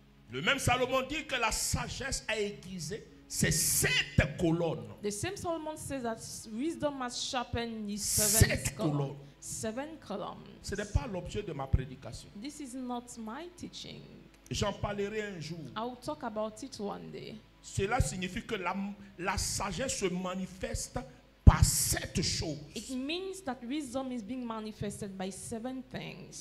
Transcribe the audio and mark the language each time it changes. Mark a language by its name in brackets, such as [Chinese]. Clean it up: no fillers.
[French] Le même Salomon dit que la sagesse a aiguisé ses sept colonnes. [English] The same Solomon says that wisdom has sharpened his seven colonnes. Seven columns. [French] Ce n'est pas l'objet de ma prédication. [English] This is not my teaching. [French] J'en parlerai un jour. [English] I will talk about it one day. [French] Cela signifie que la sagesse se manifeste par sept choses. [English] It means that wisdom is being manifested by seven things.